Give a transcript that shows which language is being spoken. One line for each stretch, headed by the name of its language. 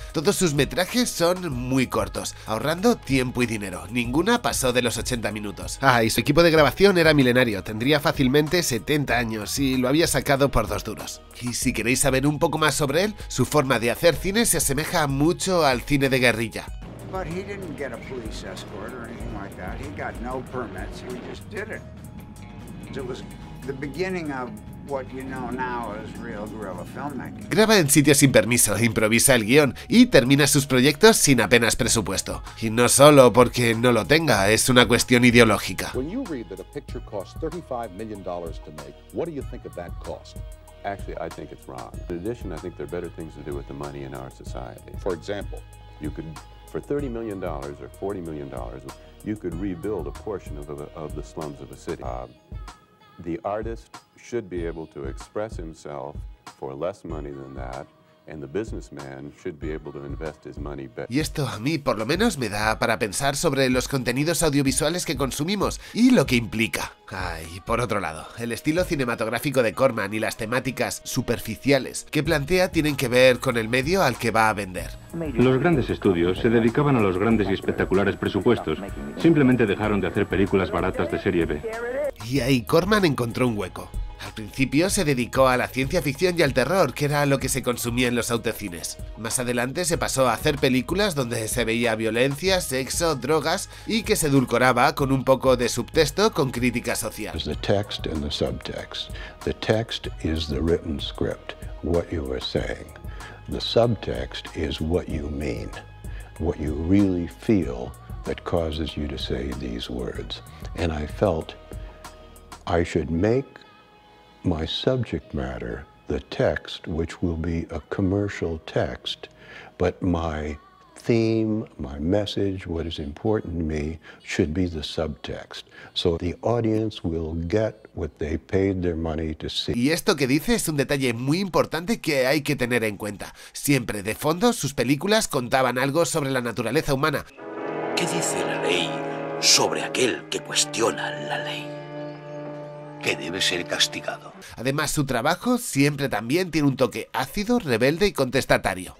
Spanish: Todos sus metrajes son muy cortos, ahorrando tiempo y dinero. Ninguna pasó de los 80 minutos. Ah, y su equipo de grabación era milenario. Tendría fácilmente 70 años y lo había sacado por 2 duros. Y si queréis saber un poco más sobre él, su forma de hacer cine se asemeja mucho al cine de guerrilla.
English: But he didn't get a police escort or anything like that. He got no permits. He just did it. It was the beginning of what you know now as real guerrilla filmmaking.
Spanish: Graba en sitios sin permiso, improvisa el guión y termina sus proyectos sin apenas presupuesto. Y no solo porque no lo tenga, es una cuestión ideológica.
English: When you read that a picture costs $35 million to make, what do you think of that cost? Actually, I think it's wrong. In addition, I think there are better things to do with the money in our society. For example, you could, for $30 million or $40 million, you could rebuild a portion of the slums of a city. The artist should be able to express himself for less money than that. And the businessman should be able to invest his money better.
Spanish: Y esto a mí, por lo menos, me da para pensar sobre los contenidos audiovisuales que consumimos y lo que implica. Ay, por otro lado, el estilo cinematográfico de Corman y las temáticas superficiales que plantea tienen que ver con el medio al que va a vender. Los grandes estudios se dedicaban a los grandes y espectaculares presupuestos. Simplemente dejaron de hacer películas baratas de serie B. Y ahí Corman encontró un hueco. Al principio se dedicó a la ciencia ficción y al terror, que era lo que se consumía en los autocines. Más adelante se pasó a hacer películas donde se veía violencia, sexo, drogas y que se edulcoraba con un poco de subtexto con crítica social.
English: The text and the subtext. The text is the written script, what you are saying. The subtext is what you mean, what you really feel that causes you to say these words. And I felt I should make my subject matter, the text, which will be a commercial text, but my theme, my message, what is important to me, should be the subtext. So the audience will get what they paid their money to see.
Spanish: Y esto que dice es un detalle muy importante que hay que tener en cuenta. Siempre de fondo, sus películas contaban algo sobre la naturaleza humana. ¿Qué dice la ley sobre aquel que cuestiona la ley? Que debe ser castigado. Además, su trabajo siempre también tiene un toque ácido, rebelde y contestatario.